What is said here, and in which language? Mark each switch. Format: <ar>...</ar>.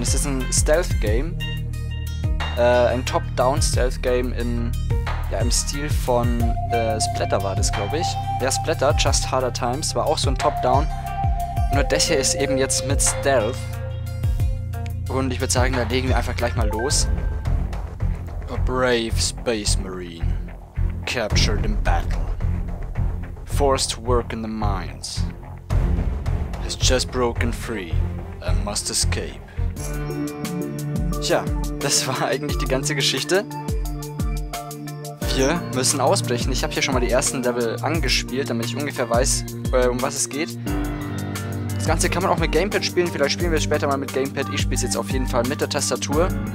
<de>Es ist ein Stealth-Game. Ein Top-Down-Stealth-Game im Stil von Splatter war das, glaube ich. Ja, Splatter, Just Harder Times, war auch so ein Top-Down. Nur das hier ist eben jetzt mit Stealth. Und ich würde sagen, da legen wir einfach gleich mal los.</de> <en>A brave Space Marine captured in battle. Forced to work in the mines. Has just broken free and must escape.</en> <de>Tja, das war eigentlich die ganze Geschichte. Wir müssen ausbrechen. Ich habe hier schon mal die ersten Level angespielt, damit ich ungefähr weiß, um was es geht. Das Ganze kann man auch mit Gamepad spielen, vielleicht spielen wir es später mal mit Gamepad. Ich spiele es jetzt auf jeden Fall mit der Tastatur.</de>